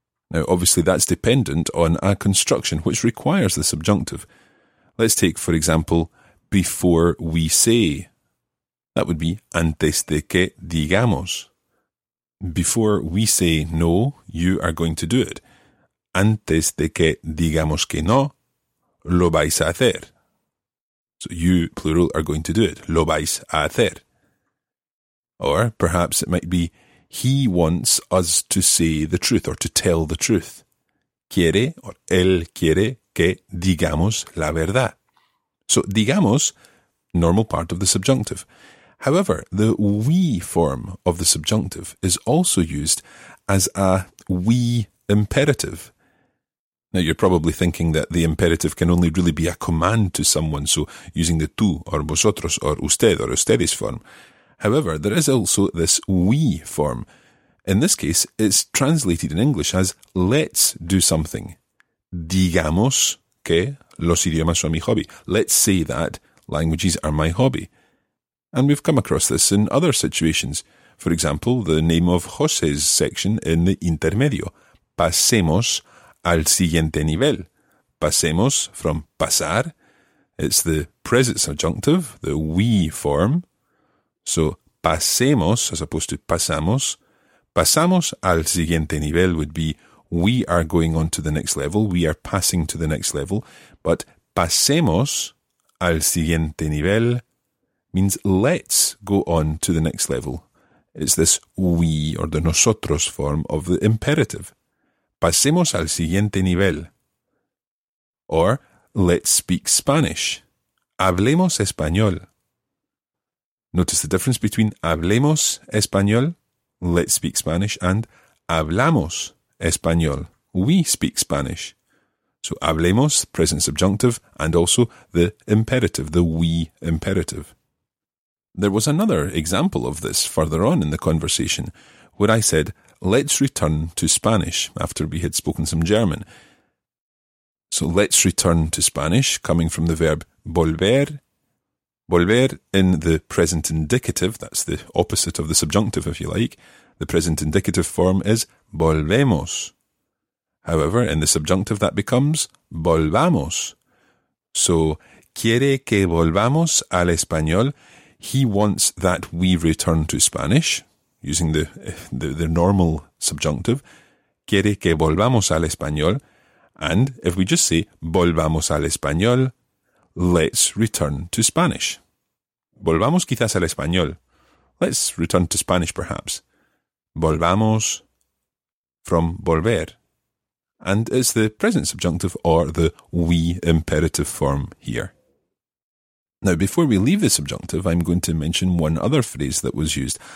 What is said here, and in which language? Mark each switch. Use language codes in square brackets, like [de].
[en] Now, obviously, that's dependent on a construction which requires the subjunctive. Let's take, for example, before we say. That would be [es] antes de que digamos. [en] Before we say no, you are going to do it. [es] Antes de que digamos que no, lo vais a hacer. [en] So you, plural, are going to do it. [es] Lo vais a hacer. [en] Or perhaps it might be he wants us to say the truth or to tell the truth. [es] Quiere, or él quiere, que digamos la verdad. [en] So, digamos, normal part of the subjunctive. However, the we form of the subjunctive is also used as a we imperative. Now, you're probably thinking that the imperative can only really be a command to someone, so using the tú, or vosotros, or usted, or ustedes form. However, there is also this we form. In this case, it's translated in English as let's do something. [es] Digamos que los idiomas son mi hobby. [en] Let's say that languages are my hobby. And we've come across this in other situations. For example, the name of José's section in the intermedio. [es] Pasemos al siguiente nivel. Pasemos from pasar. [en] It's the present subjunctive, the we form. So, pasemos, as opposed to pasamos. [es] Pasamos al siguiente nivel [en] would be we are going on to the next level, we are passing to the next level. But [es] pasemos al siguiente nivel [en] means let's go on to the next level. It's this we or the nosotros form of the imperative. [es] Pasemos al siguiente nivel. [en] Or let's speak Spanish. [es] Hablemos español. [en] Notice the difference between [es] hablemos español, [en] let's speak Spanish, and [es] hablamos español, [en] we speak Spanish. So hablemos, present subjunctive, and also the imperative, the we imperative. There was another example of this further on in the conversation, where I said, let's return to Spanish, after we had spoken some German. So let's return to Spanish, coming from the verb volver. Volver in the present indicative, that's the opposite of the subjunctive, if you like. The present indicative form is volvemos. However, in the subjunctive, that becomes volvamos. [es] So, quiere que volvamos al español. [en] He wants that we return to Spanish, using the normal subjunctive. [es] Quiere que volvamos al español. [en] And if we just say [es] volvamos al español, [en] let's return to Spanish. [es] Volvamos quizás al español. [en] Let's return to Spanish, perhaps. Volvamos from volver. And it's the present subjunctive or the we imperative form here. Now, before we leave the subjunctive, I'm going to mention one other phrase that was used.